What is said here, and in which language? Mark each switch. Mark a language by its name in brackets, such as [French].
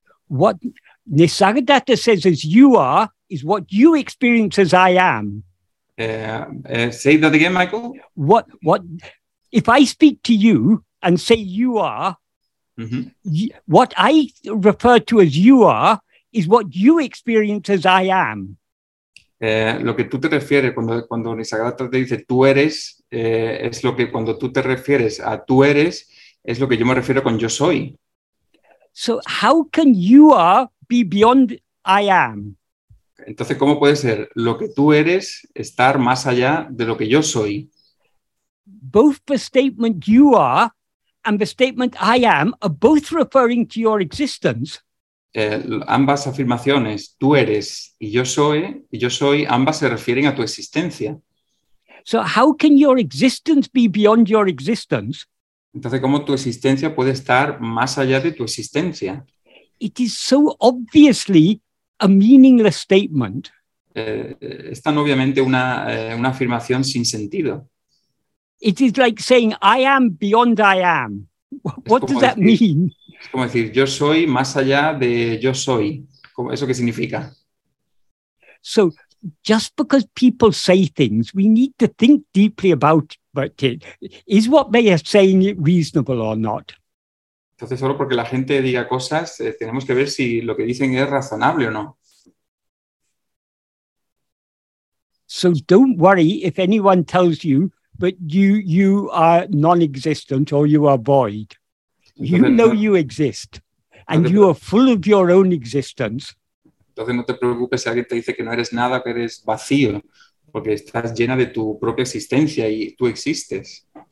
[English] What Nisargadatta says as you are is what you experience as I am. Say that again, Michael. What if I speak to you and say you are, what I refer to as you are is what you experience as I am. [Spanish] Lo que tú te refieres cuando Nisargadatta te dice tú eres, es lo que cuando tú te refieres a tú eres, es lo que yo me refiero con yo soy. [English] So how can you are be beyond I am? [Spanish] Entonces, ¿cómo puede ser lo que tú eres estar más allá de lo que yo soy? [English] Both the statement you are and the statement I am are both referring to your existence. [Spanish] Ambas afirmaciones, tú eres y yo soy, ambas se refieren a tu existencia. [English] So how can your existence be beyond your existence? [Spanish] Entonces, ¿cómo tu existencia puede estar más allá de tu existencia? [English] It is so obviously a meaningless statement. [Spanish] Es tan obviamente una afirmación sin sentido. [English] It is like saying, I am beyond I am. What does that mean? [Spanish] Es como decir, yo soy más allá de yo soy. ¿Eso qué significa? [English] So just because people say things, we need to think deeply about it. Is what they are saying reasonable or not? [Spanish] Entonces, solo porque la gente diga cosas, tenemos que ver si lo que dicen es razonable o no. [English] So don't worry if anyone tells you that you are non-existent or you are void. Entonces, you know you exist, and you are full of your own existence. [Spanish] Entonces no te preocupes si alguien te dice que no eres nada, que eres vacío, porque estás llena de tu propia existencia y tú existes.